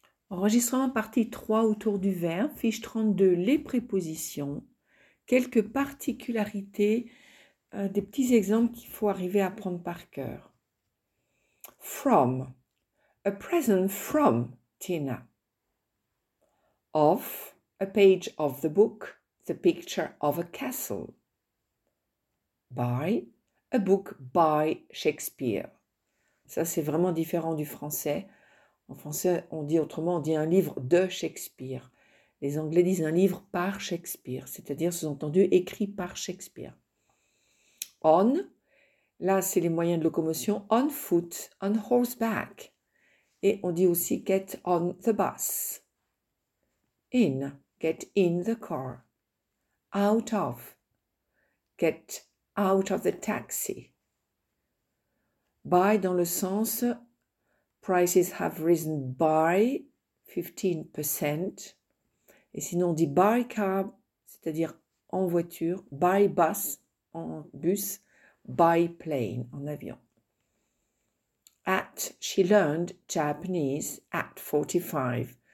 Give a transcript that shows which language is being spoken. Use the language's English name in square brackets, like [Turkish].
[French] Enregistrement partie 3 autour du verbe, fiche 32, les prépositions, quelques particularités, des petits exemples qu'il faut arriver à apprendre par cœur. [English] From, a present from Tina. Of, a page of the book, the picture of a castle. By, a book by Shakespeare. [French] Ça, c'est vraiment différent du français. En français, on dit autrement, on dit un livre de Shakespeare. Les Anglais disent un livre par Shakespeare, c'est-à-dire sous-entendu écrit par Shakespeare. On, là, c'est les moyens de locomotion, [English] on foot, on horseback. [French] Et on dit aussi [English] get on the bus. In, get in the car. Out of, get out of the taxi. Buy [French] dans le sens [English] prices have risen by 15%. [French] Et sinon on dit [English] by car, [French] c'est-à-dire en voiture, [English] by bus, [French] en bus, [English] by plane, [French] en avion. [English] At, she learned Japanese at 45.